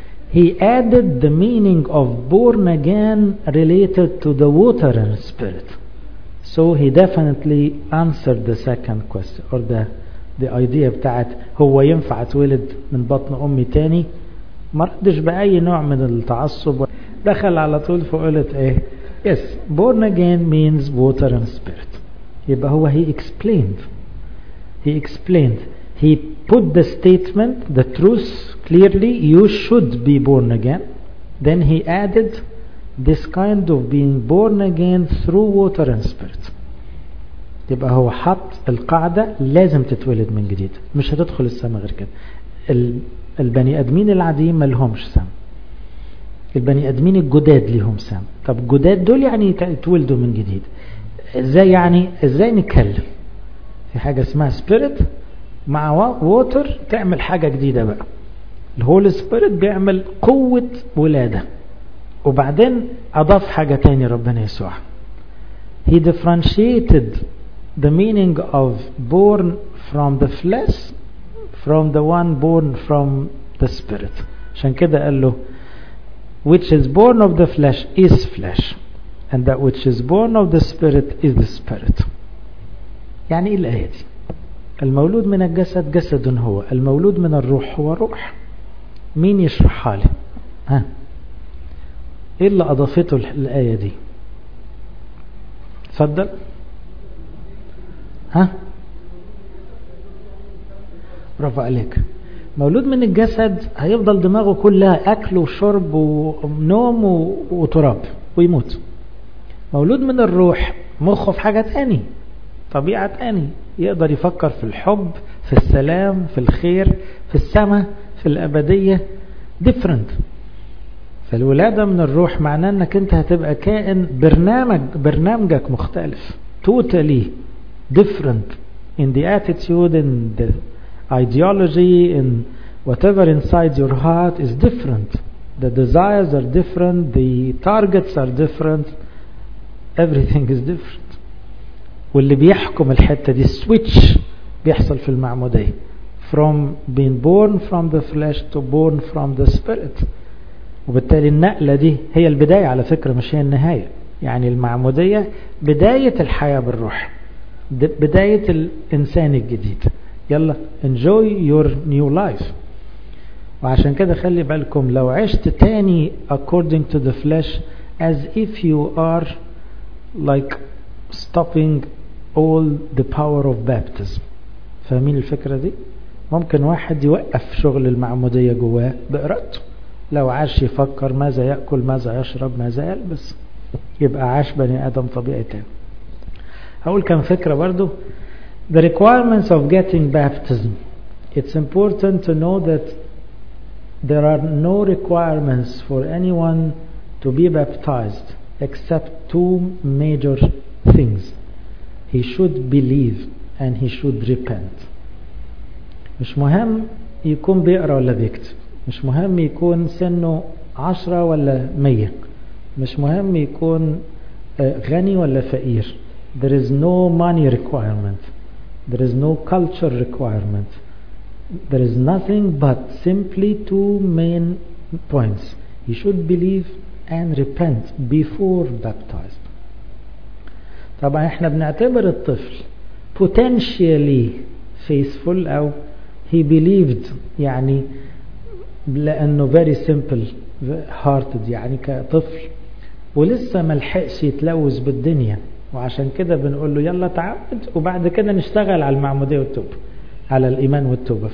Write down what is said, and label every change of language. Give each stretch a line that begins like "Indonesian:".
English: He added the meaning of born again related to the water and spirit. So he definitely answered the second question, or the idea
Arabic: بتاعت هو ينفع تولد من بطن أمي تاني. ما ردش بأي نوع من التعصب، دخل على طول فقلت ايه،
English: yes, born again means water and spirit.
Arabic: يبقى هو
English: he explained he put the statement, the truth clearly, you should be born again. Then he added this kind of being born again through water and spirit.
Arabic: يبقى هو حط القاعدة، لازم تتولد من جديد، مش هتدخل السماء غير كده. البني أدمين العاديين ما لهمش سماء، البني أدمين الجداد لهم سماء. طب الجداد دول يعني تولدوا من جديد؟ ازاي يعني ازاي نتكلم؟ في حاجة اسمها spirit مع water تعمل حاجة جديدة بقى. الهولي سبيريت بيعمل قوة ولادة. وبعدين اضاف حاجة تاني ربنا يسوع.
English: He differentiated the meaning of born from the flesh from the one born from the spirit.
Arabic: عشان كده قال له
English: which is born of the flesh is flesh and that which is born of the spirit is the spirit.
Arabic: يعني ايه الآية دي؟ المولود من الجسد جسد هو، المولود من الروح هو روح. مين يشرح حالي؟ ها؟ ايه اللي اضافته الآية دي؟ تفضل. ها؟ برافو عليك. مولود من الجسد هيفضل دماغه كلها اكل وشرب ونوم وتراب ويموت. مولود من الروح مخه في حاجة تاني، طبيعة تاني، يقدر يفكر في الحب، في السلام، في الخير، في السماء، في الأبدية.
English: different.
Arabic: فالولادة من الروح معناه انك انت هتبقى كائن برنامجك مختلف،
English: totally different in the attitude, in the ideology, in whatever inside your heart is different. The desires are different, the targets are different, everything is different.
Arabic: واللي بيحكم الحتة دي
English: switch
Arabic: بيحصل في المعمودية،
English: from being born from the flesh to born from the spirit.
Arabic: وبالتالي النقلة دي هي البداية على فكرة، مش هي النهاية. يعني المعمودية بداية الحياة بالروح، بداية الإنسان الجديد.
English: يلا enjoy your new life.
Arabic: وعشان كده خلي بالكم، لو عشت تاني
English: according to the flesh as if you are like stopping all the power of baptism.
Arabic: فاهمين الفكرة دي؟ ممكن واحد يوقف شغل المعمودية جواه بإرادته، لو عاش يفكر ماذا يأكل، ماذا يشرب، ماذا يلبس، يبقى عاش بني آدم طبيعي تاني. هقول كم فكرة برضو.
English: The requirements of getting baptism. It's important to know that there are no requirements for anyone to be baptized except two major things. He should believe and he should repent.
Arabic: مش مهم يكون بيقرأ ولا بيكتب، مش مهم يكون سنه 10 ولا 100، مش مهم يكون غني ولا فقير.
English: There is no money requirement. There is no culture requirement. There is nothing but simply two main points. He should believe and repent before baptized.
Arabic: طبعا احنا بنعتبر الطفل
English: potentially faithful
Arabic: او
English: he believed،
Arabic: يعني لأنه
English: very simple hearted،
Arabic: يعني كطفل ولسه ما لحقش يتلوث بالدنيا، وعشان كده بنقول له يلا تعود وبعد كده نشتغل على المعمودية والتوبة، على الإيمان والتوبة.